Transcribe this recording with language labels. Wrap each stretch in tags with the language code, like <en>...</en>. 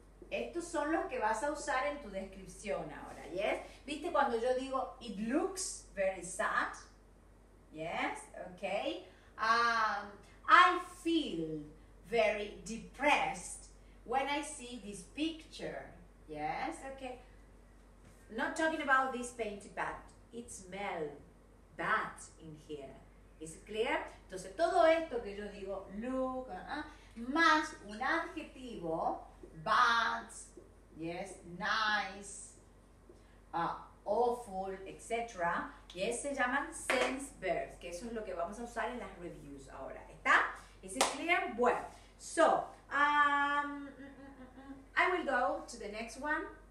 <es>Estos son los que vas a usar en tu descripción ahora, yes? ¿Viste cuando yo digo</es> <en>it looks very sad? Yes, okay. I feel very depressed when I see this picture. Yes, okay. Not talking about this painting, but it smells bad in here. Is it clear?</en> <es>Entonces, todo esto que yo digo, look, más un adjetivo, bad, yes, nice, awful, etc. Yes, se llaman sense verbs, que eso es lo que vamos a usar en las reviews ahora.</es> <en>¿Está? Is it clear? Well, so, I will go to the next one.</en>